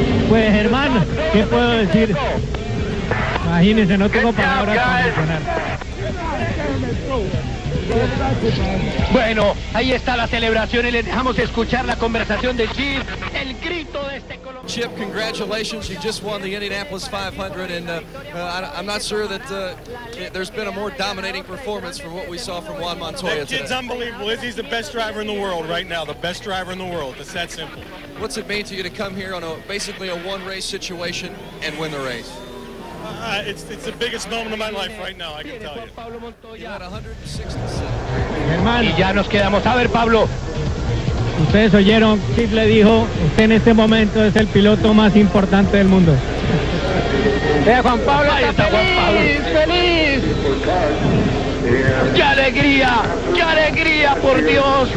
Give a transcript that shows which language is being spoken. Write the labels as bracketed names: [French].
[Spanish] Pues, Germán, ¿qué puedo decir? Imagínense, no tengo palabras para mencionar. Bueno, ahí está la celebración y le dejamos escuchar la conversación de Chip, el grito de este colombiano. [English] Chip, congratulations, you just won the Indianapolis 500, and I'm not sure that there's been a more dominating performance from what we saw from Juan Montoya today. That kid's unbelievable. He's the best driver in the world right now, the best driver in the world. It's that simple. What's it mean to you to come here on basically a one-race situation and win the race? It's the biggest moment of my life right now, I can tell you. [Spanish] Germán, y ya nos quedamos. A ver, Pablo. Ustedes oyeron, Chip le dijo, usted en este momento es el piloto más importante del mundo. Juan Pablo, ahí está Juan Pablo. ¡Feliz! ¡Qué alegría! ¡Qué alegría, por Dios!